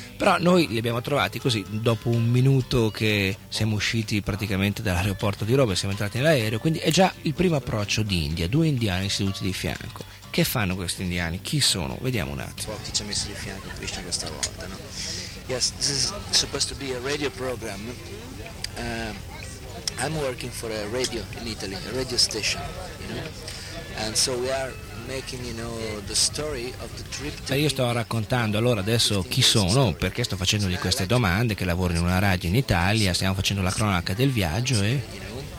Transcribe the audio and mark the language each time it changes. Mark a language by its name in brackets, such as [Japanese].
[Italian] Però noi li abbiamo trovati così, dopo un minuto che siamo usciti praticamente dall'aeroporto di Roma e siamo entrati nell'aereo, quindi è già il primo approccio d'India, due indiani seduti di fianco. Che fanno questi indiani? Chi sono? Vediamo un attimo. Chi ci ha messo di fianco Krishna questa volta, no? [English] Yes, this is supposed to be a radio program. I'm working for a radio in Italy, a radio station, you know. And so we are making, you know, the story of the trip. [Italian] Io sto raccontando allora adesso chi sono, perché sto facendogli queste domande, che lavoro in una radio in Italia, stiamo facendo la cronaca del viaggio e.